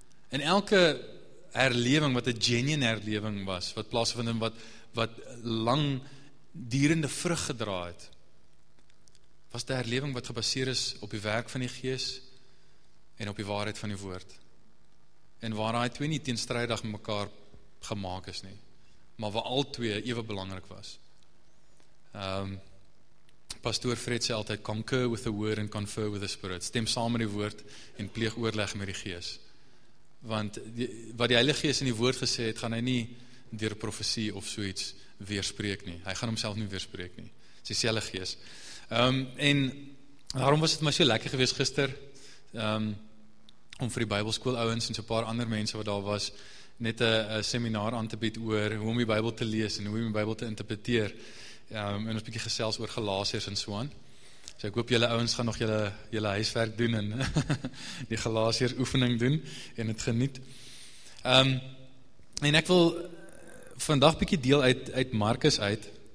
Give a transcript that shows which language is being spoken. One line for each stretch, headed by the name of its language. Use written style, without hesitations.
Afrikaans: En elke herlewing wat 'n genuine herlewing was, wat plaasvind en wat lang durende vrug gedra het, was die herlewing wat gebaseer is op die werk van die gees en op die waarheid van die woord. En waar hy twee nie teenstrijdig met mekaar gemaak is nie, maar waar al twee ewe belangrik was.
English: Pastoor Fred
Afrikaans: sê altyd,
English: concur with the word and confer with the spirit.
Afrikaans: Stem saam met die woord en pleeg oorleg met die gees. Want wat die Heilige Gees in die woord gesê het, gaan hy nie deur profesie of so iets weerspreek nie. Hy gaan homself nie weerspreek nie. Dis die selfde gees. En daarom was het maar so lekker gewees gister, om vir die Bybelskool ouens en so paar ander mense wat daar was, net 'n seminar aan te bied oor hoe om die Bybel te lees en hoe om die Bybel te interpreteer. En ons bietjie gesels oor Galasiërs en so aan. So ek hoop julle ouens gaan nog julle huiswerk doen en die Galasiërs oefening doen en het geniet. En ek wil vandag bietjie deel uit Markus uit.